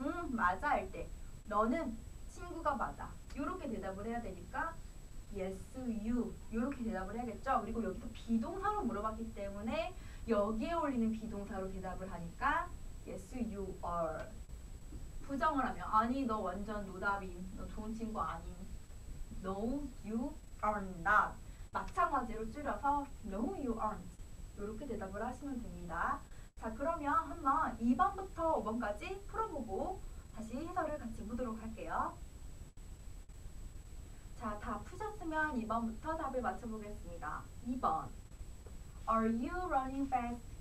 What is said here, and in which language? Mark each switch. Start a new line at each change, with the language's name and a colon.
Korean: 맞아 할 때 너는 친구가 맞아. 이렇게 대답을 해야 되니까 Yes, you. 이렇게 대답을 해야겠죠? 그리고 여기서 비동사로 물어봤기 때문에 여기에 어울리는 비동사로 대답을 하니까 Yes, you are. 부정을 하면 아니, 너 완전 노답임.
English: 너 좋은 친구 아님. No, you are not. 마찬가지로 줄여서 No, you aren't.
Korean: 이렇게 대답을 하시면 됩니다. 자, 그러면 한번 2번부터 5번까지 풀어보고 다시 해설을 같이 보도록 할게요. 자, 다 푸셨으면 2번부터 답을 맞춰보겠습니다.
English: 2번. Are you running fast?